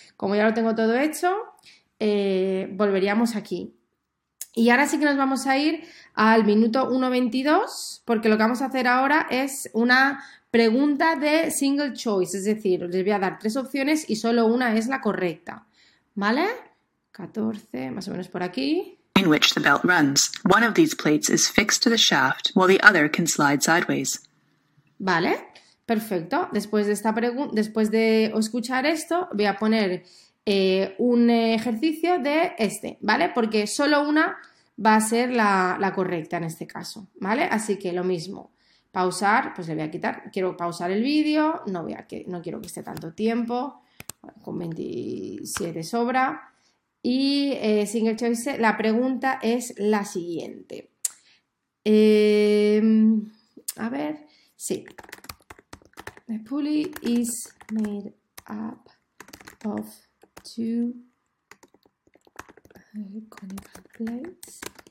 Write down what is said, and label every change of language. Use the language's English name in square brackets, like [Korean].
[Spanish] Como ya lo tengo todo hecho, volveríamos aquí. Y ahora sí que nos vamos a ir al minuto 1.22, porque lo que vamos a hacer ahora es una pregunta de single choice, es decir, les voy a dar tres opciones y solo una es la correcta, ¿vale? 14, más o menos por aquí. [English] In which the belt runs. One of these plates is fixed to the shaft, while the other can slide sideways. [Spanish] Vale, perfecto. Después de esta pregunta, después de escuchar esto, voy a poner un ejercicio de este, ¿vale? Porque solo una va a ser la correcta en este caso, ¿vale? Así que lo mismo. Pausar, pues le voy a quitar, quiero pausar el vídeo, no quiero que esté tanto tiempo, con 27 sobra. Y single choice, la pregunta es la siguiente. A ver, sí. [English] The pulley is made up of two conical plates.